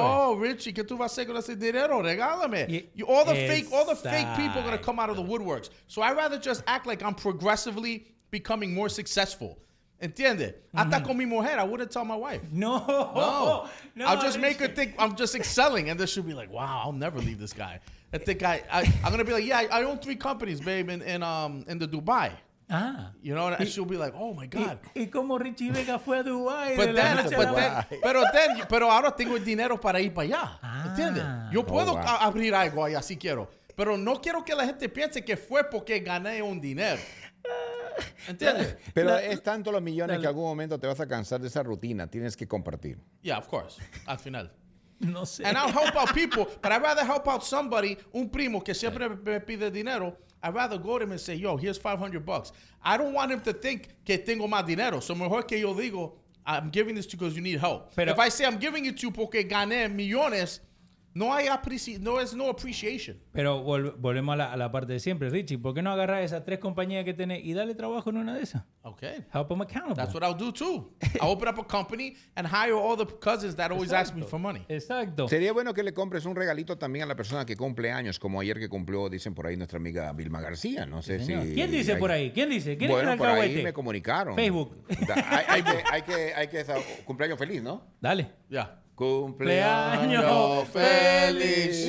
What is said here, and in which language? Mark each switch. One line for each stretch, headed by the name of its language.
Spanish: Oh, Richie, ¿qué tú vas a hacer con ese dinero? Regálame.
English: All the fake people are going to come out of the woodworks. So I'd rather just act like I'm progressively becoming more successful.
Spanish: ¿Entiendes?
English: Mm-hmm.
Spanish: Hasta con mi mujer,
English: I wouldn't tell my wife.
Spanish: No.
English: I'll just make her think I'm just excelling. And then she'll be like, wow, I'll never leave this guy. I think I'm going to be like, yeah, I own 3 companies, babe, in the Dubai. Ah. You know, and she'll be like, oh my God.
Spanish: Y como Richie Vega fue a Dubai. Pero ahora tengo el dinero para ir para allá. Ah. ¿Entiendes? Yo puedo abrir algo allá si quiero. Pero no quiero que la gente piense que fue porque gané un dinero. ¿Entiendes? Pero es tanto los millones que algún momento te vas a cansar de esa rutina. Tienes que compartir.
English: Yeah, of course.
Spanish: Al final. No sé.
English: And I'll help out people, but I'd rather help out somebody,
Spanish: un primo que siempre me pide dinero.
English: I'd rather go to him and say, yo, here's $500. I don't want him to think
Spanish: que tengo más dinero.
English: So
Spanish: mejor que yo digo,
English: I'm giving this to you because you need help.
Spanish: Pero
English: if I say I'm giving it to you
Spanish: porque gané millones, no hay
English: no appreciation.
Spanish: Pero volvemos a la parte de siempre. Richie, ¿por qué no agarrar esas 3 compañías que tenés y dale trabajo en una de esas?
English: Okay. Help them accountable. That's what I'll do too. I'll open up a company and hire all the cousins that always ask me for money.
Spanish: Exacto. Sería bueno que le compres un regalito también a la persona que cumple años, como ayer que cumplió, dicen por ahí, nuestra amiga Vilma García. No sé si... ¿Quién dice por ahí? ¿Quién dice? ¿Quién bueno, por ahí me comunicaron. Facebook. Hay que cumpleaños feliz, ¿no? Dale. Ya.
English: Yeah.
Spanish: Cumpleaños feliz.